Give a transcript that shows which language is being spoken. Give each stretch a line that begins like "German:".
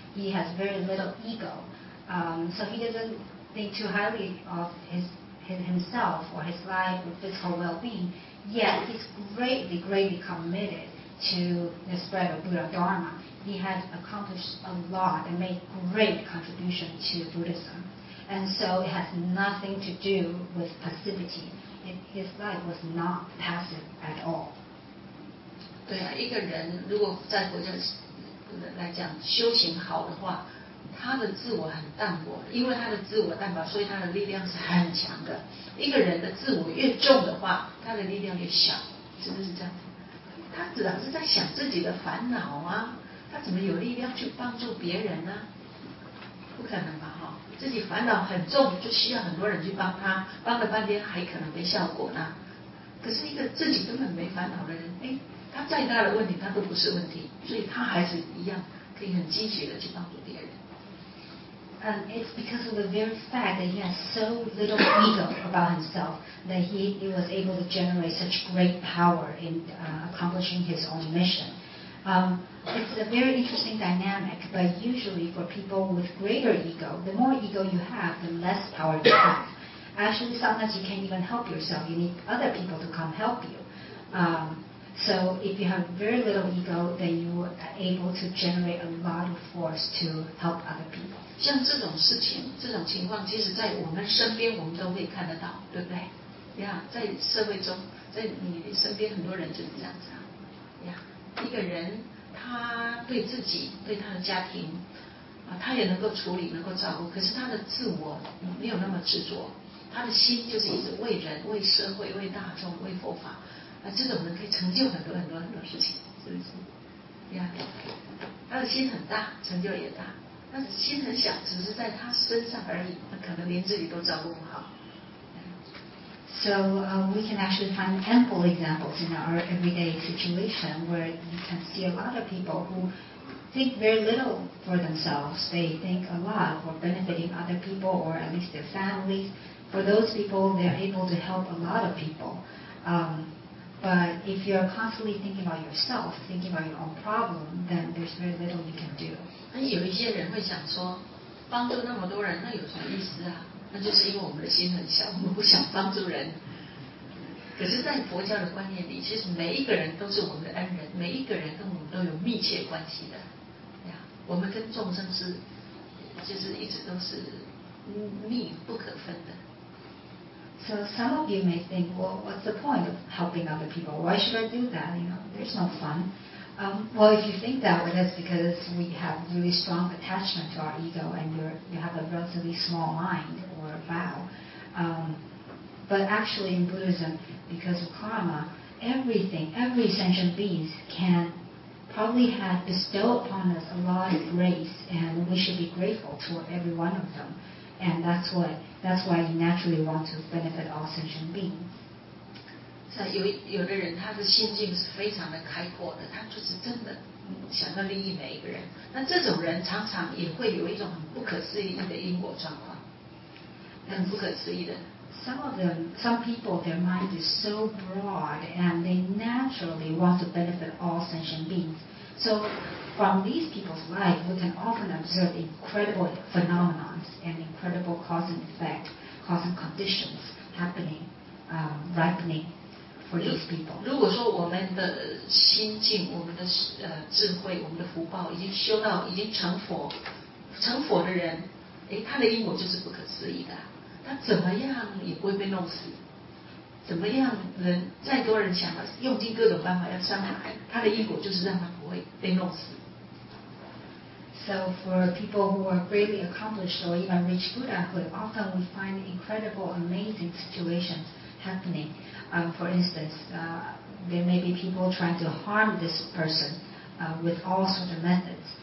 English: He has very little ego. So he doesn't think too highly of himself or his life or physical well-being, yet he's greatly, greatly committed to the spread of Buddha Dharma. He has accomplished a lot and made great contribution to Buddhism. And so it has nothing to do with passivity. His life was not passive at all.
Chinese: 对啊，一个人如果在国家来讲修行好的话，他的自我很淡薄，因为他的自我淡薄，所以他的力量是很强的。一个人的自我越重的话，他的力量越小，是不是这样子？他只要是在想自己的烦恼啊，他怎么有力量去帮助别人呢？不可能吧，哈！自己烦恼很重，就需要很多人去帮他，帮了半天还可能没效果呢。可是一个自己根本没烦恼的人，他再大的问题他都不是问题，所以他还是一样可以很积极的去帮助别人。
English: It's because of the very fact that he has so little ego about himself that he was able to generate such great power in accomplishing his own mission. It's a very interesting dynamic, but usually for people with greater ego, the more ego you have, the less power you have. Actually, sometimes you can't even help yourself. You need other people to come help you. So if you have very little ego, then you are able to generate a lot of force to help other people.
Chinese: 像这种事情，这种情况，其实在我们身边，我们都可以看得到，对不对？呀、yeah, ，在社会中，在你身边，很多人就是这样子啊。呀、yeah, ，一个人他对自己、对他的家庭啊，他也能够处理、能够照顾，可是他的自我没有那么执着，他的心就是一直为人、为社会、为大众、为佛法啊，这种人可以成就很多很多很多事情，是不是？呀、yeah, ，他的心很大，成就也大。但是心很小，只是在他身上而已，他可能连自己都照顾不好。
English: So we can actually find ample examples in our everyday situation where you can see a lot of people who think very little for themselves. They think a lot for benefiting other people or at least their families. For those people, they're able to help a lot of people. But if you're constantly thinking about yourself, thinking about your own problem, then there's very little you can do.
Chinese: 那有一些人会想说，帮助那么多人，那有什么意思啊？那就是因为我们的心很小，我们不想帮助人。可可是在佛教的观念里，其实每一个人都是我们的恩人，每一个人跟我们都有密切关系的。我们跟众生是就是一直都是密不可分的。
English: So some of you may think, well, what's the point of helping other people? Why should I do that? You know, there's no fun. Well, if you think that, well, that's because we have really strong attachment to our ego and you have a relatively small mind or vow. But actually in Buddhism, because of karma, everything, every sentient being can probably have bestowed upon us a lot of grace and we should be grateful to every one of them. And that's why you naturally want to benefit all sentient beings.
Chinese: 是啊，有的人他的心境是非常的开阔的，他就是真的想要利益每一个人。那这种人常常也会有一种很不可思议的因果状况，很不可思议的。
English: Some people, their mind is so broad and they naturally want to benefit all sentient beings. So from these people's life, we can often observe incredible phenomena and incredible cause and effect, cause and conditions happening, ripening for these people.
Chinese: 如果说我们的心境，我们的智慧，我们的福报已经修到已经成佛的人，他的因果就是不可思议的。他怎么样也不会被弄死，怎么样人再多人想要用尽各种办法要伤害他的因果，就是让他不会被弄死。
English: So for people who are greatly accomplished or even reach Buddhahood, often we find incredible, amazing situations happening. For instance, there may be people trying to harm this person with all sorts of methods.